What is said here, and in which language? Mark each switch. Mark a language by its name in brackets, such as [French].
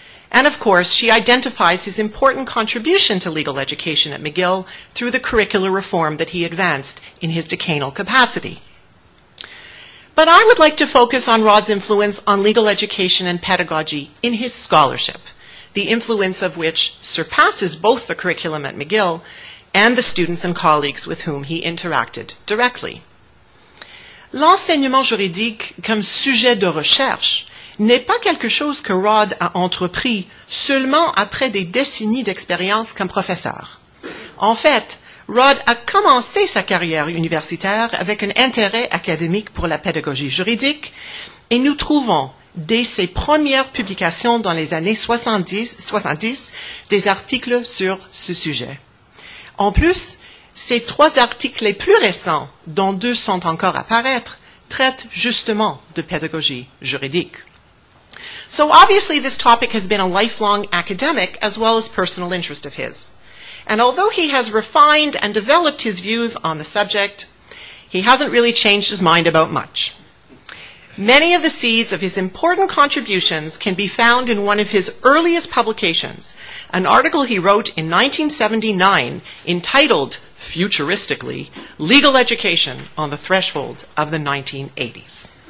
[English] And of course, she identifies his important contribution to legal education at McGill through the curricular reform that he advanced in his decanal capacity. But I would like to focus on Rod's influence on legal education and pedagogy in his scholarship, the influence of which surpasses both the curriculum at McGill and the students and colleagues with whom he interacted directly. [French] L'enseignement juridique comme sujet de recherche n'est pas quelque chose que Rod a entrepris seulement après des décennies d'expérience comme professeur. En fait, Rod a commencé sa carrière universitaire avec un intérêt académique pour la pédagogie juridique et nous trouvons, dès ses premières publications dans les années 70, des articles sur ce sujet. En plus, ces trois articles les plus récents, dont deux sont encore à paraître, traitent justement de pédagogie juridique. [English] So obviously this topic has been a lifelong academic as well as personal interest of his. And although he has refined and developed his views on the subject, he hasn't really changed his mind about much. Many of the seeds of his important contributions can be found in one of his earliest publications, an article he wrote in 1979 entitled, futuristically, Legal Education on the Threshold of the 1980s.